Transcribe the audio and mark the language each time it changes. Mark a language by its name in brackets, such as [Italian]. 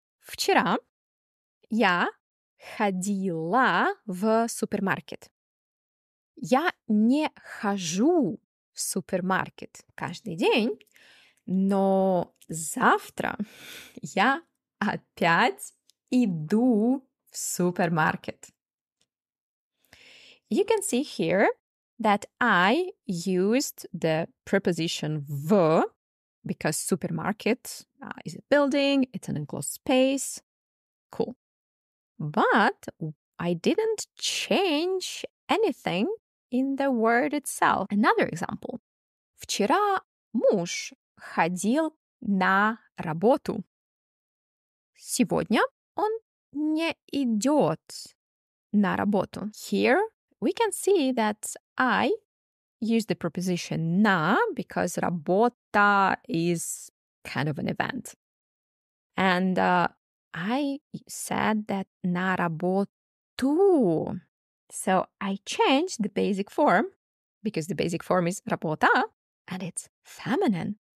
[Russian] Вчера я ходила в супермаркет. Я не хожу в супермаркет каждый день, но завтра я опять иду в супермаркет. [English] You can see here that I used the preposition в, because supermarket is a building, it's an enclosed space. Cool. But I didn't change anything in the word itself. Another example. [Russian] Вчера муж ходил на работу. Сегодня он не идет на работу. [English] Here we can see that I use the preposition на because работа is kind of an event. And I said that [Russian] на работу. [English] So I changed the basic form because the basic form is работа and it's feminine.